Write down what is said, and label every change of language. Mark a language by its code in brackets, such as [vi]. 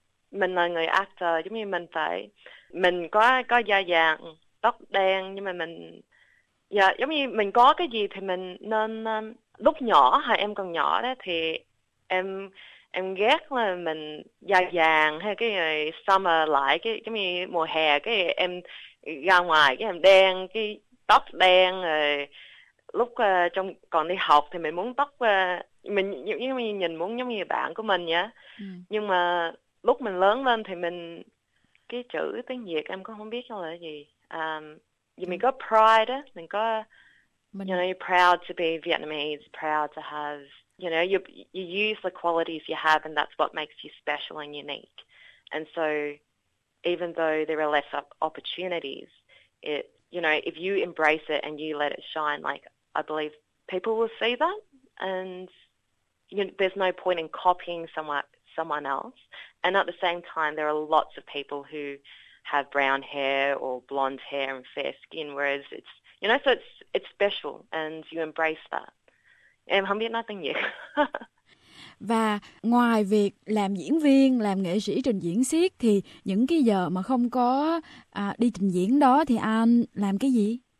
[vi] Mình là người actor, giống như mình phải mình có da vàng, tóc đen, nhưng mà mình giống như mình có cái gì thì mình nên lúc nhỏ hay em còn nhỏ đó thì em ghét là mình da vàng, hay cái gì, summer lại cái giống như mùa hè cái gì, em ra ngoài cái em đen, cái tóc đen, rồi lúc trong còn đi học thì mình muốn tóc mình giống như nhìn muốn giống như bạn của mình nhá. Nhưng mà lúc mình lớn lên thì mình cái chữ tiếng Việt em cũng không biết là gì, vì mình có pride á, mình có mình [en] you know, you're proud to be Vietnamese, proud to have, you know, you use the qualities you have, and that's what makes you special and unique. And so even though there are less opportunities, it, you know, if you embrace it and you let it shine, like, I believe people will see that, and you know, there's no point in copying someone else. And at the same time, there are lots of people who have brown hair or blonde hair and fair skin, whereas it's, you know, so it's special, and you embrace that. [vi] Em không biết nói tiếng Việt. Và ngoài việc làm diễn viên, làm nghệ sĩ trình diễn xiếc thì những cái giờ mà không có đi trình diễn đó thì anh làm cái gì?